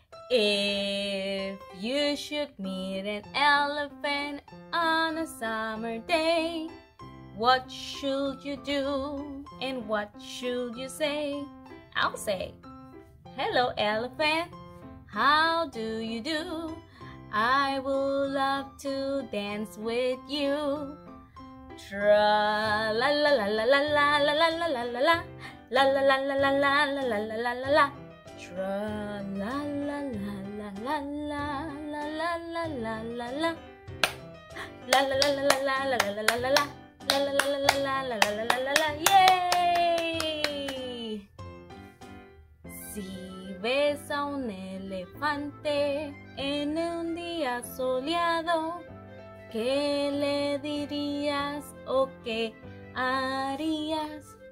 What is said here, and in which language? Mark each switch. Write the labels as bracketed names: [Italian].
[English] If you should meet an elephant on a summer day, what should you do and what should you say? I'll say, hello elephant, how do you do? I would love to dance with you. Tra la la la la la la la la la la la la la la la la la la la la la la la la. Tra la la la la la la la la la la la la la la la la la la la la la la la la la la la la la la la la la la la la. Yay! [Spanish] Si ves a un elefante en un día soleado, ¿qué le dirías o qué harías?